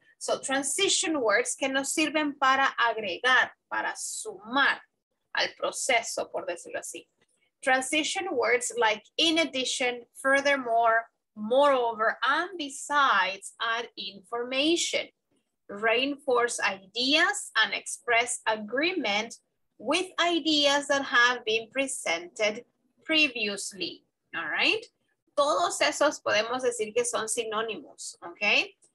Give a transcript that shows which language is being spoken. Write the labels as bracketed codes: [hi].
[es] So transition words que nos sirven para agregar, para sumar al proceso, por decirlo así. [en] Transition words like in addition, furthermore, moreover, and besides add information, reinforce ideas and express agreement with ideas that have been presented previously, all right? [es] Todos esos podemos decir que son sinónimos, okay?